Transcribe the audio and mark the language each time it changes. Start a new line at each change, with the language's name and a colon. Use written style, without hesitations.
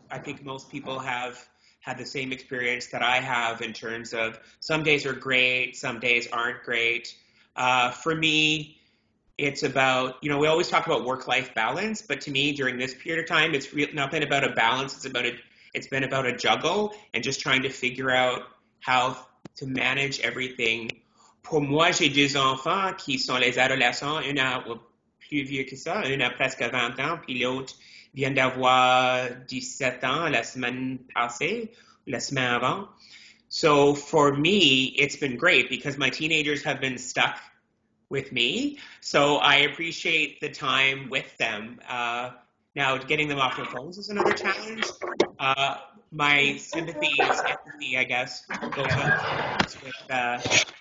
English: I think most people have had the same experience that I have in terms of some days are great, some days aren't great. For me, it's about, you know, we always talk about work-life balance, but to me during this period of time, it's not been about a balance, it's been about a juggle and just trying to figure out how to manage everything.
French: Pour moi, j'ai deux enfants qui sont les adolescents, une a plus vieux que ça, une a presque 20 ans, puis l'autre vient d'avoir 17 ans la semaine passée, la semaine avant.
English: So for me, it's been great because my teenagers have been stuck with me. So I appreciate the time with them. Now getting them off their phones is another challenge. My sympathy, I guess, goes up with